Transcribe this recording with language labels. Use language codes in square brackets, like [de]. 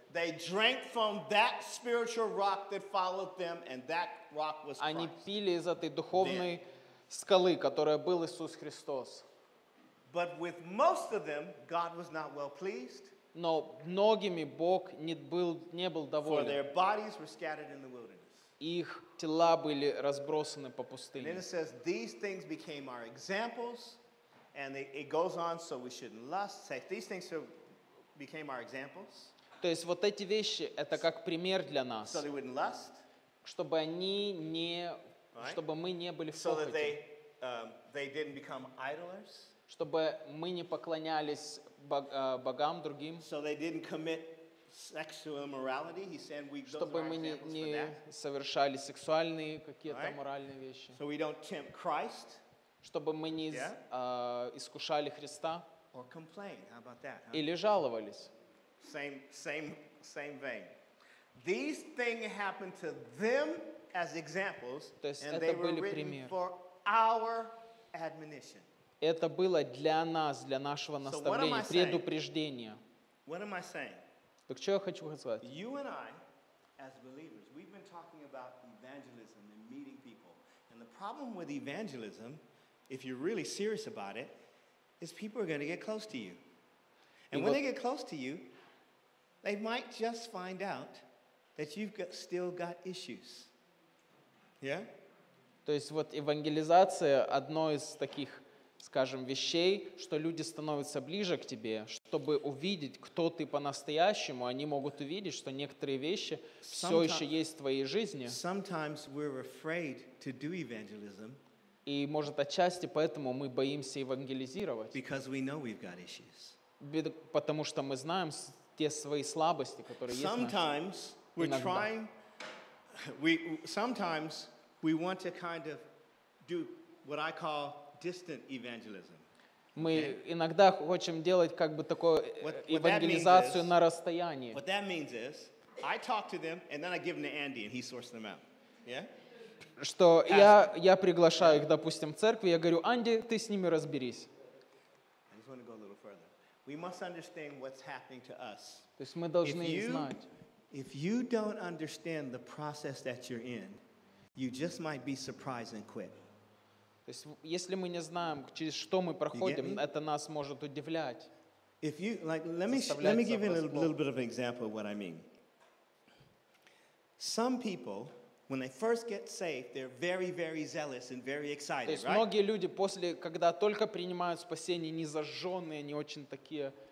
[en] They drank from that spiritual rock that followed them, and that rock was Christ. [ru] Они пили из этой духовной скалы, которая был Иисус Христос. [en] But with most of them, God was not well pleased. [ru] Но многими Бог не был доволен. [en] For their bodies were scattered in the wilderness. [ru] Их тела были разбросаны по пустыне. [en] And then it says, these things became our examples, and it goes on, so we shouldn't lust. These things became our examples. [ru] То есть вот эти вещи, это как пример для нас. [en] So they wouldn't lust. [ru] Чтобы они не, чтобы мы не были в похоти. [en] So that they didn't become idolers. [ru] Чтобы мы не поклонялись богам другим. [en] So they didn't commit sexual immorality. He said we. [ru] Чтобы мы не совершали сексуальные какие-то моральные вещи. [en] So we don't tempt Christ. [ru] Чтобы мы не искушали Христа. [en] Or complain. How about that? Huh? [ru] Или жаловались. [en] Same vein. These things happened to them as examples, and they were written for our admonition. [ru] Это было для нас, для нашего наставления, предупреждения. [en] What am I saying? [ru] Так что я хочу сказать? [en] You and I, as believers, we've been talking about evangelism and meeting people. And the problem with evangelism, if you're really serious about it, is people are going to get close to you. And when they get close to you, they might just find out that you've still got issues. Yeah? [ru] То есть вот евангелизация одно из таких, скажем, вещей, что люди становятся ближе к тебе, чтобы увидеть, кто ты по-настоящему, они могут увидеть, что некоторые вещи все еще есть в твоей жизни. [en] Sometimes we're afraid to do evangelism. [ru] И, может, отчасти поэтому мы боимся евангелизировать. [en] Because we know we've got issues. [ru] Потому что мы знаем те свои слабости, которые есть. [en] Sometimes we're trying, sometimes we want to kind of do what I call distant evangelism. [ru] Мы иногда хотим делать как бы такую евангелизацию на расстоянии. [en] What that means is, I talk to them and then I give them to Andy and he sorts them out. Yeah? [ru] Что я приглашаю их, допустим, в церковь, я говорю: Анди, ты с ними разберись. [en] I just want to go a little further. We must understand what's happening to us. [ru] То есть мы должны знать. [en] If you don't understand the process that you're in, you just might be surprised and quit. [ru] То есть, если мы не знаем, через что мы проходим, это нас может удивлять. [en] If you like, let me give you a little bit of an example of what I mean. Some people, when they first get saved, they're very, very zealous and very excited. [ru] То есть, многие люди после, когда только принимают спасение, не зажженные, не очень такие.